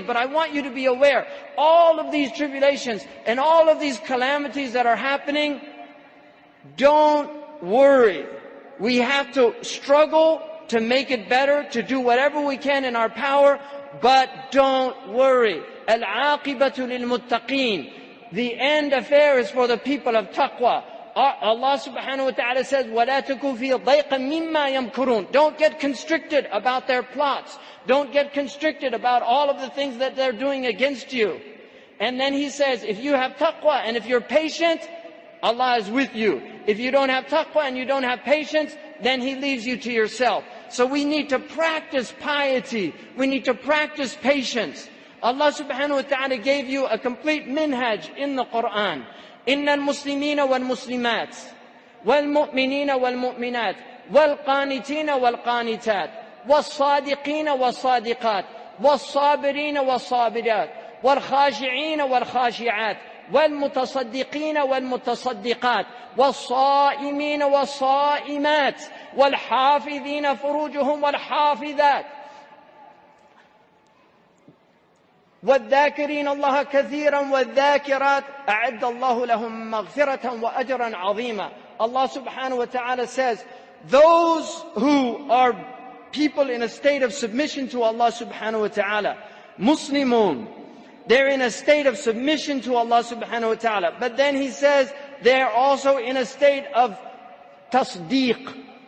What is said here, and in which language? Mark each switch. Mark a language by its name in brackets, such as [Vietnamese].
[English] But I want you to be aware, all of these tribulations and all of these calamities that are happening, don't worry. We have to struggle to make it better, to do whatever we can in our power, but don't worry. [Arabic] Al-aqibatu lil-muttaqeen. [English] The end affair is for the people of taqwa. [Arabic] Allah subhanahu wa ta'ala says, وَلَا تَكُوا فِي ضَيْقًا مِمَّا يَمْكُرُونَ. [English] Don't get constricted about their plots. Don't get constricted about all of the things that they're doing against you. And then he says, if you have taqwa and if you're patient, Allah is with you. If you don't have taqwa and you don't have patience, then He leaves you to yourself. So we need to practice piety. We need to practice patience. Allah subhanahu wa ta'ala gave you a complete minhaj in the Qur'an. [Arabic] إِنَّ الْمُسْلِمِينَ وَالْمُسْلِمَاتِ وَالْمُؤْمِنِينَ وَالْمُؤْمِنَاتِ وَالْقَانِتِينَ وَالْقَانِتَاتِ وَالصَّادِقِينَ وَالصَّادِقَاتِ وَالصَّابِرِينَ وَالصَّابِرَاتِ وَالْخَاشِعِينَ وَالْخَاشِعَاتِ والمتصدقين والمتصدقات والصائمين والصائمات والحافظين فروجهم والحافظات والذاكرين الله كثيرا والذاكرات أعد الله لهم مغفرة وأجرا عظيما. [English] Allah subhanahu wa ta'ala says, those who are people in a state of submission to Allah subhanahu wa ta'ala, Muslimun, they're in a state of submission to Allah subhanahu wa ta'ala. But then he says, they're also in a state of tasdeeq.